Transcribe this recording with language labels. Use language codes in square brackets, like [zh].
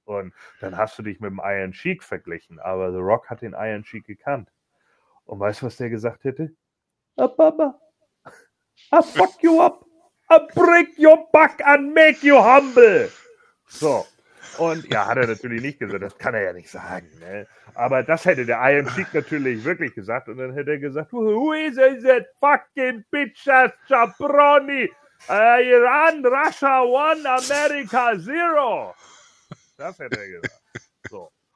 [de] Und dann hast du dich mit dem Iron Sheik verglichen, aber The Rock hat den Iron Sheik gekannt. Und weißt du, was der gesagt hätte? [en] Baba, I fuck you up, I break your back and make you humble. [de] So. Und ja, hat er natürlich nicht gesagt, das kann er ja nicht sagen. Ne? Aber das hätte der Iron Sheik natürlich wirklich gesagt. [en] Und dann hätte er gesagt, who is that fucking bitch ass Jabroni? Iran, Russia 1, America 0. [de] Das hätte er gesagt. So.